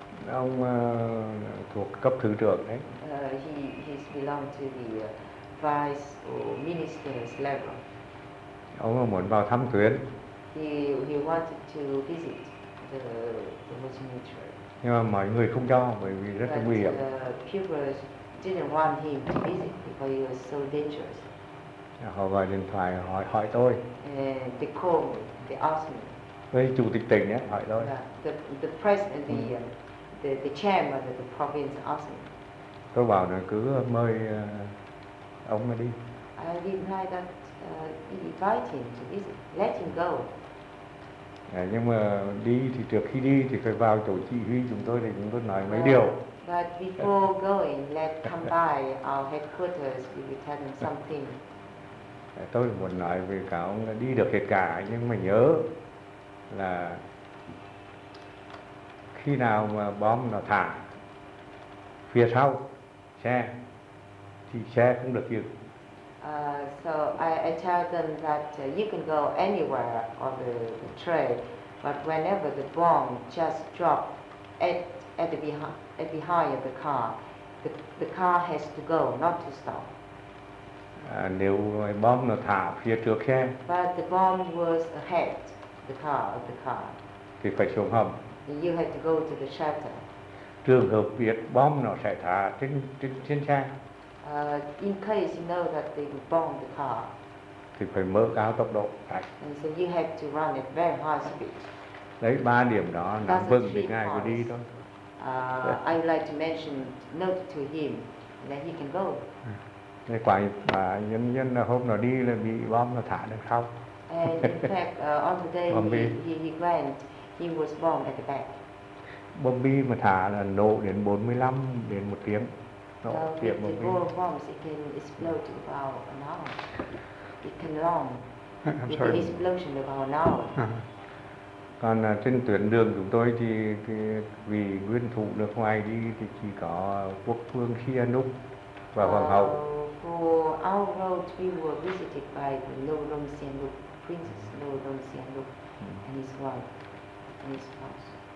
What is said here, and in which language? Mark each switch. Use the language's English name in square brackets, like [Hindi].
[Vietnamese] Ông thuộc cấp thứ trưởng đấy. [English] He's belong to the vice or minister's level. [Vietnamese] Ông muốn vào thăm tuyến. [English] He wanted to visit the military. [Vietnamese] Nhưng mà mọi người không cho bởi vì rất là nguy hiểm. [English] Didn't want him to visit because he was so dangerous. [Vietnamese] Họ gọi điện thoại hỏi tôi. [English] And they call me, they ask me. [Vietnamese] Với chủ tịch tỉnh ấy, hỏi tôi. [English] The president, the chairman of the province asked me. [Vietnamese] Tôi bảo là cứ mời ông mà đi. [English] I replied that invite him to visit, let him go. [Vietnamese] Nhưng mà đi thì trước khi đi thì phải vào chỗ chỉ huy chúng tôi để chúng tôi nói mấy điều. [English] But before going, let's come by our headquarters. We will tell them something. [Vietnamese] Tôi muốn nói về cả ông đi được hết cả, nhưng mà nhớ là khi nào mà bom nó thả phía sau xe thì xe không được dừng. [English] So I tell them that you can go anywhere on the trail, but whenever the bomb just dropped at the behind of the car, the car has to go, not to stop. [Vietnamese] Nếu bom nó thả phía trước xe. [English] But the bomb was ahead of the car. [Vietnamese] Thì phải xuống hầm. [English] You have to go to the shelter. [Vietnamese] Trường hợp biết bom nó sẽ thả trên xe. [English] In case you know that they will bomb the car. [Vietnamese] Thì phải mở cao tốc độ. Đấy. [English] And so you have to run at very high speed. [Vietnamese] Đấy ba điểm đó nắm vững thì ngài cứ đi thôi. [English] I would like to mention note to him that he can go. [Vietnamese] Cái quả mà nhân hôm nó đi là bị bom nó thả đằng sau. [English] And in fact, on the day he went, he was bombed at the back. [Vietnamese] Bom bi mà thả là nổ đến 45 đến 1 tiếng. Nổ tiệm bom bi. [English] The bombs, it can explode about an hour. It can long. With the explosion about an hour. [Vietnamese] Còn trên tuyến đường chúng tôi thì vì nguyên thủ nước ngoài đi thì chỉ có quốc vương Sihanouk và hoàng hậu. [English] For our road we were visited by the Norom Sihanouk, Princess Norom Sihanouk and his wife and his spouse.